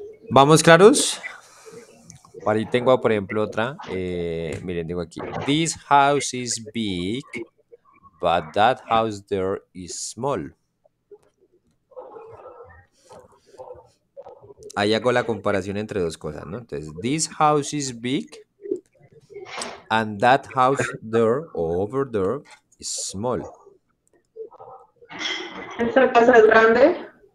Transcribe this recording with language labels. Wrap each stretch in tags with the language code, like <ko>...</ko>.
<es>¿Vamos claros? Por ahí tengo, por ejemplo, otra. Miren, digo aquí.</es> <en>This house is big, but that house there is small.</en> <es>Ahí hago la comparación entre dos cosas, ¿no? Entonces,</es> <en>this house is big and that house there o over there is small.</en> <es>Esta casa es grande.</es>